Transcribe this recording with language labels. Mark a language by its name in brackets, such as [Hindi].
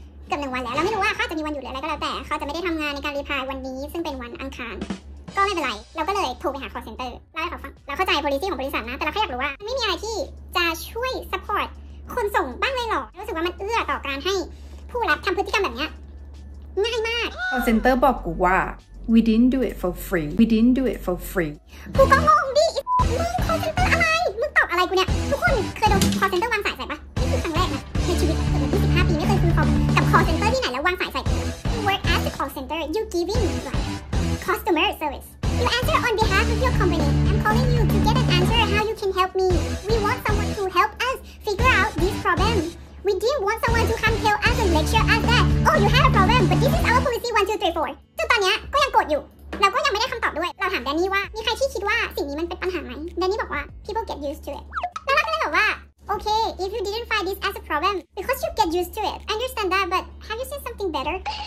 [Thai] เกือบ1วันแล้วเราไม่รู้ว่าเขาจะมีวันหยุดหรืออะไรก็แล้วแต่เขาจะไม่ได้ทำงานในการรีพลายวันนี้ซึ่งเป็นวันอังคารก็ไม่เป็นไรเราก็เลยโทรไปหา call center เล่าให้เขาฟังเราเข้าใจ policy ของบริษัทนะแต่เราแค่อยากรู้ว่าไม่มีอะไรที่จะช่วย support คนส่งบ้างเลยหรอรู้สึกว่ามันเอื้อต่อการให้ผู้รับทำพฤติกรรมแบบนี้ง่ายมาก [English] call center [Thai] บอกกูว่า [English] we didn't do it for free we didn't do it for free [Thai] กูก็งงดิมึง call center อะไรมึงตอบอะไรกูเนี่ยทุกคนเคยโดน call center วางสายใส่ปะนี่คือครั้งแรกนะในชีวิตในรอบ25ปีไม่เคยคุยกับ call center ที่ไหนแล้ววางสายใส่ [English] work as the call center you giving customer service you answer on behalf of your company I'm calling you to get an answer how you can help me we want someone to help us figure out this problem we didn't want someone to come tell us and lecture us that oh you have a problem but this is our policy 1234 [Thai] จนตอนนี้ก็ยังโกรธอยู่เราก็ยังไม่ได้คำตอบด้วยเราถามแดนนี่ว่ามีใครที่คิดว่าสิ่งนี้มันเป็นปัญหาไหมแดนนี่บอกว่า [English] people get used to it แล้วเราก็เลยบอกว่า okay if you didn't find this as a problem because you get used to it I understand that but have you seen something better